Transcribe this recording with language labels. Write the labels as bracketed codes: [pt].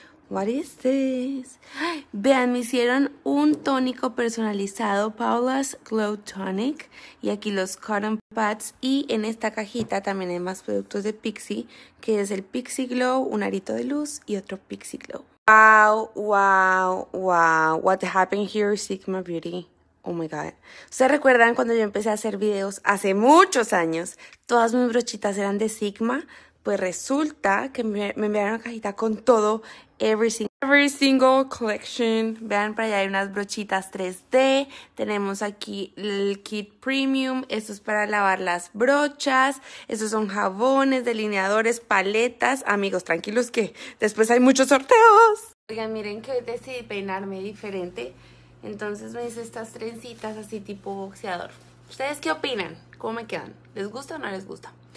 [en] What is this? [es] Vean, me hicieron un tónico personalizado. Paula's Glow Tonic. Y aquí los cotton pads. Y en esta cajita también hay más productos de Pixie. Que es el Pixie Glow, un arito de luz y otro Pixie Glow. [en] Wow, wow, wow. What happened here, Sigma Beauty? Oh my God. [es] ¿Ustedes recuerdan cuando yo empecé a hacer videos hace muchos años? Todas mis brochitas eran de Sigma. Pues resulta que me enviaron una cajita con todo. [en] Every single collection. [es] Vean, para allá hay unas brochitas 3D. Tenemos aquí el kit premium. Esto es para lavar las brochas. Estos son jabones, delineadores, paletas. Amigos, tranquilos que después hay muchos sorteos. Oigan, miren que hoy decidí peinarme diferente. Entonces me hice estas trencitas así tipo boxeador. ¿Ustedes qué opinan? ¿Cómo me quedan? ¿Les gusta o no les gusta?